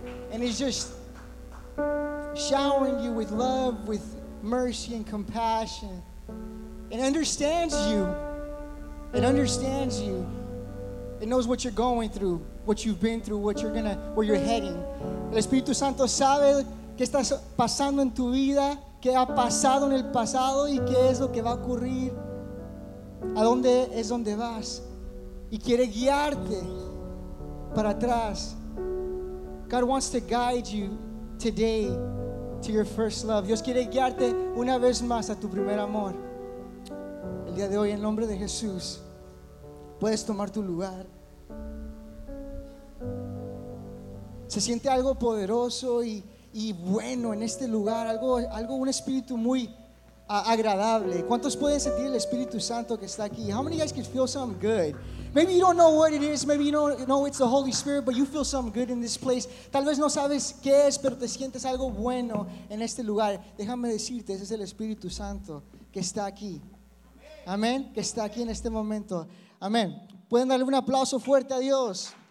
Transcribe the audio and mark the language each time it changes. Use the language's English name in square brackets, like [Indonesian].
[English] And He's just showering you with love, with mercy and compassion. It understands you. It understands you. It knows what you're going through, what you've been through, where you're heading. [Spanish] El Espíritu Santo sabe qué estás pasando en tu vida, qué ha pasado en el pasado y qué es lo que va a ocurrir, a dónde es donde vas, y quiere guiarte para atrás. [English] God wants to guide you today to your first love. [Spanish] Dios quiere guiarte una vez más a tu primer amor. El día de hoy, en nombre de Jesús, puedes tomar tu lugar. Se siente algo poderoso y bueno en este lugar, algo un espíritu muy agradable. ¿Cuántos pueden sentir el Espíritu Santo que está aquí? [English] How many guys can feel something good? Maybe you don't know what it is. Maybe you don't know it's the Holy Spirit, but you feel something good in this place. [Spanish] Tal vez no sabes qué es, pero te sientes algo bueno en este lugar. Déjame decirte, ese es el Espíritu Santo que está aquí. Amén. Que está aquí en este momento. Amén. Pueden darle un aplauso fuerte a Dios.